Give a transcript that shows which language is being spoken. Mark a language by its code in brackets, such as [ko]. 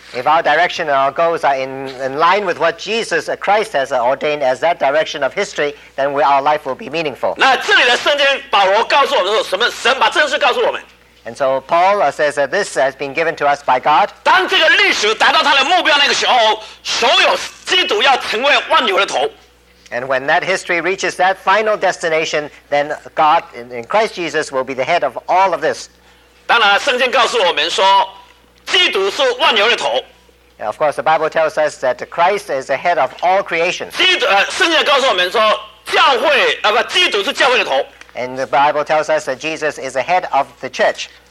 [en] If our direction and our goals are in line with what Jesus Christ has ordained as that direction of history, then our life will be meaningful. [zh] 那这里的圣经，保罗告诉我们说什么？神把这件事告诉我们。 [en] And so Paul says that this has been given to us by God. [zh] 当这个历史达到他的目标那个时候，所有基督要成为万有的头。 [en] And when that history reaches that final destination, then God in Christ Jesus will be the head of all of this. [zh] 当然，圣经告诉我们说。 [en] Now, of course, the Bible tells us that Christ is the head of all creation. [zh] 圣经告诉我们说，教会，基督是教会的头。 [en] And the Bible tells us that Jesus is the head of the church.